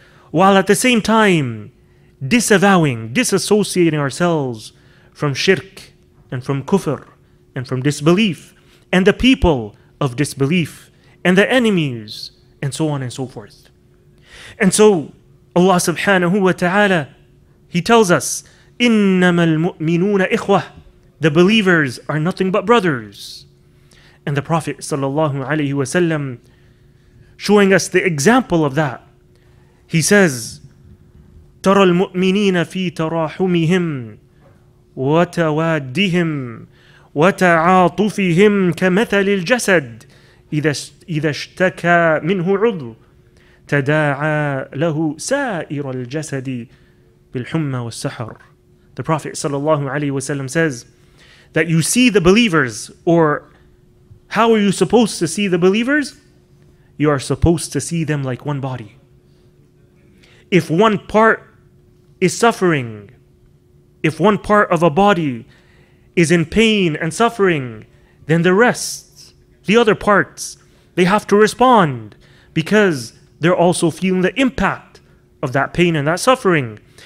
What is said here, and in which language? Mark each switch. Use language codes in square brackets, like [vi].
[en] while at the same time disavowing, disassociating ourselves from shirk, and from kufr, and from disbelief, and the people of disbelief, and the enemies, and so on and so forth. And so, Allah subhanahu wa ta'ala, He tells us, [ar] إِنَّمَا الْمُؤْمِنُونَ إِخْوَةِ. [en] The believers are nothing but brothers. And the Prophet sallallahu alayhi wa sallam, showing us the example of that, he says, [ar] تَرَى الْمُؤْمِنِينَ فِي تَرَاحُمِهِمْ وتوادهم وتعاطفهم كمثل الجسد إذا اشتكى منه عضو تداعى له سائر الجسد بالحمى والسحر. [en] The Prophet sallallahu alaihi wasallam says that you see the believers, or how are you supposed to see the believers? You are supposed to see them like one body. If one part is suffering, if one part of a body is in pain and suffering, then the rest, the other parts, they have to respond because they're also feeling the impact of that pain and that suffering.